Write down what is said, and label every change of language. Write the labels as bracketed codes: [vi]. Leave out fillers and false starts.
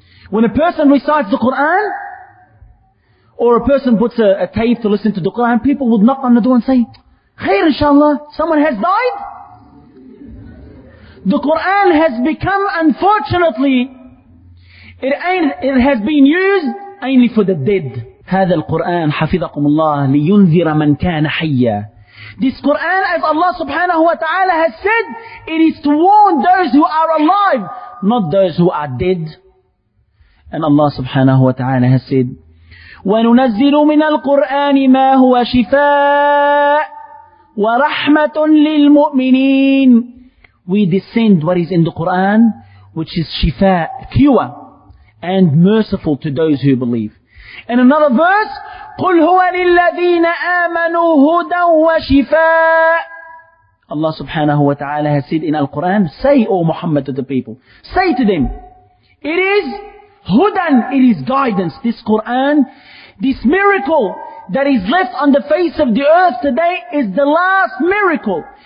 [en] When a person recites the Quran, or a person puts a tape to listen to the Quran, people would knock on the door and say, Khair inshallah, someone has died? The Quran has become, unfortunately, it has been used only for the dead. [ar] هذا القرآن حفظكم الله لينذر من كان حيا. [en] This Quran, as Allah subhanahu wa ta'ala has said, it is to warn those who are alive, not those who are dead. And Allah subhanahu wa ta'ala has said, [ar] وَنُنَزِّلُ مِنَ الْقُرْآنِ مَا هُوَ شِفَاءٌ وَرَحْمَةٌ لِلْمُؤْمِنِينَ. [en] We descend what is in the Quran, which is shifa, cure, and merciful to those who believe. In another verse, [ar] قُلْ هُوَ لِلَّذِينَ آمَنُوا هُدًى وَشِفَاءٌ. [en] Allah subhanahu wa ta'ala has said in Al-Quran, say, O Muhammad, to the people, say to them, it is hudan, it is guidance. This Quran, this miracle that is left on the face of the earth today, is the last miracle.